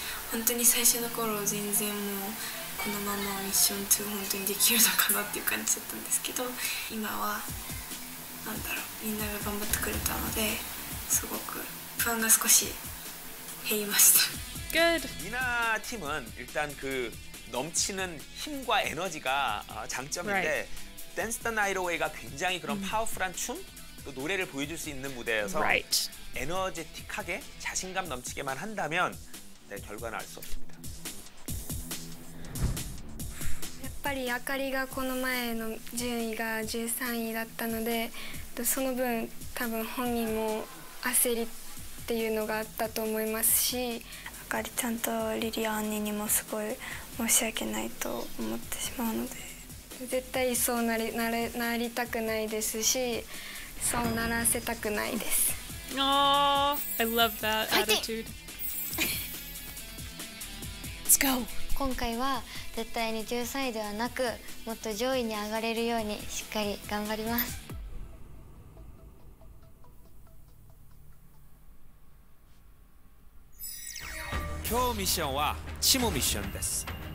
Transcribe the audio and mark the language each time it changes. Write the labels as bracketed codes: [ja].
[ja] 本当に最初の頃全然もうこのままミッション2本当にできるのかなっていう感じだったんですけど、今はなんだろう、みんなが頑張ってくれたのですごく不安が少し。 [en] Good. [ko] 니나 팀은 일단 그 넘치는 힘과 에너지가 장점인데 Dance the Night Away 가 굉장히 그런 파워풀한 춤 또 노래를 보여줄 수 있는 무대여서 에너제틱하게 자신감 넘치게만 한다면 네, 결과는 알 수 없습니다. [ja] やっぱりあかりがこの前の順位が13位だったので、その分多分本人も焦りっていうのがあったと思いますし、あかりちゃんとリリアンにもすごい申し訳ないと思ってしまうので、絶対そうなりたくないですし、そうならせたくないです。 [en] あー、 I love that attitude. Let's go. [ja] 今回は絶対に10歳ではなく、もっと上位に上がれるようにしっかり頑張ります。今日ミッションはチームミッションです。